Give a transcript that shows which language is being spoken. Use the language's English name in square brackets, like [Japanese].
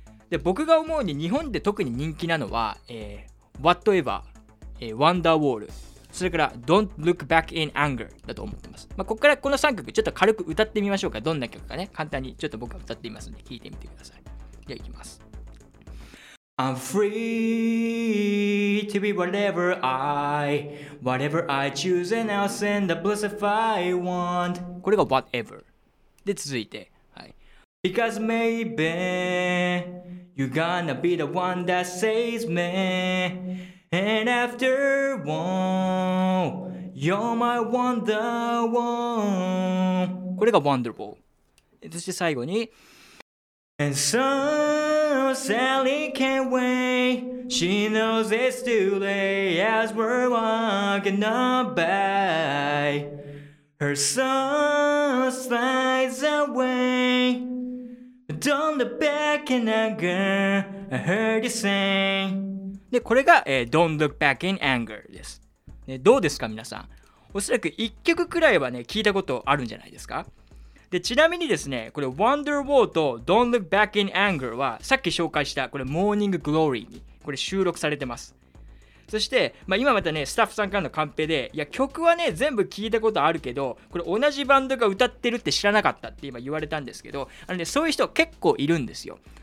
[Japanese] で、僕が思うに日本で特に人気なのは、Whatever、Wonderwall、それから Don't Look Back in Anger だと思ってます。まあ、ここからこの3曲ちょっと軽く歌ってみましょうか。どんな曲かね、簡単にちょっと僕が歌ってみますので聴いてみてください。では行きます。 [English] I'm free to be whatever I choose and I'll send the bliss if I want。 [Japanese] これが Whatever で、続いて、はい、 [English] Because maybeYou're gonna be the one that saves me And after all You're my wonder one。 [Japanese] これが Wonderwall。そして最後に [English] And so Sally can't wait She knows it's too late As we're walking on by Her soul slides awayDon't look back in anger, I heard you say。 [Japanese] で、これが、Don't look back in anger です。で、どうですか皆さん、おそらく1曲くらいはね聞いたことあるんじゃないですか。で、ちなみにですね、これ Wonderwall と Don't look back in anger はさっき紹介したこれ Morning Glory にこれ収録されてます。そして、まあ、今またねスタッフさんからのカンペで、いや曲はね全部聞いたことあるけど、これ同じバンドが歌ってるって知らなかったって今言われたんですけど、ね、そういう人結構いるんですよ。